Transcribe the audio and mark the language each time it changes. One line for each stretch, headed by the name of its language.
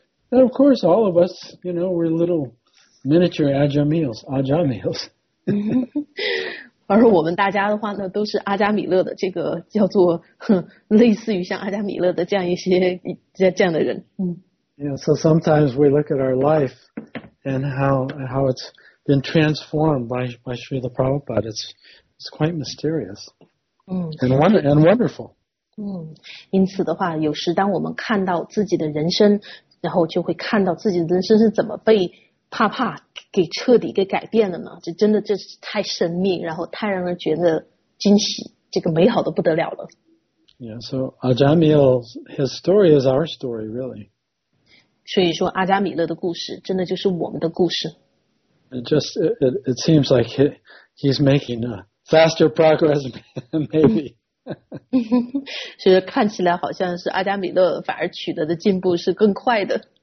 English: And of course all of us, you know, we're little miniature Ajamils.
Chinese: 而我们大家的话呢，都是阿加米勒的这个叫做类似于像阿加米勒的这样一些这样的人。
English: Yeah, so sometimes we look at our life and how it's been transformed by Srila Prabhupada. It's quite mysterious and wonderful.
Chinese: 因此的话，有时当我们看到自己的人生，然后就会看到自己的人生是怎么被怕怕给彻底给改变了呢？这真的这是太神秘，然后太让人觉得惊喜，这个美好的不得了了。
English: Yeah, so Ajamil's his story is our story, really.
Chinese: 所以说，阿加米勒的故事真的就是我们的故事。
English: It seems like he's making a faster progress, maybe.
Chinese: 所以看起来好像是阿加米勒反而取得的进步是更快的。